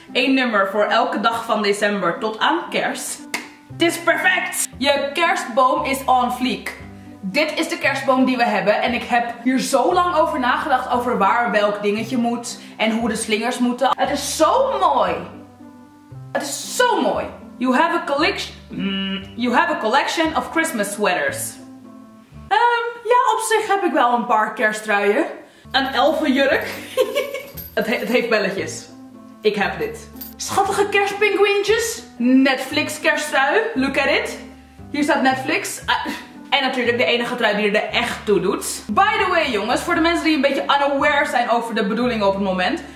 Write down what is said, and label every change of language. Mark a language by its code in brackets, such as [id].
[nl] Eén nummer voor elke dag van december tot aan kerst. Het is perfect. Je kerstboom is on fleek. Dit is de kerstboom die we hebben en ik heb hier zo lang over nagedacht over waar welk dingetje moet en hoe de slingers moeten. Het is zo mooi. Het is zo mooi. [en] You have a collection, of Christmas sweaters. [nl] Ja, op zich heb ik wel een paar kersttruien. Een elfenjurk. het heeft belletjes. Ik heb dit. Schattige kerstpinguïntjes. Netflix kersttrui. [en] Look at it. [nl] Hier staat Netflix. En natuurlijk de enige trui die er echt toe doet. [en] By the way [nl] jongens, voor de mensen die een beetje unaware zijn over de bedoelingen op het moment.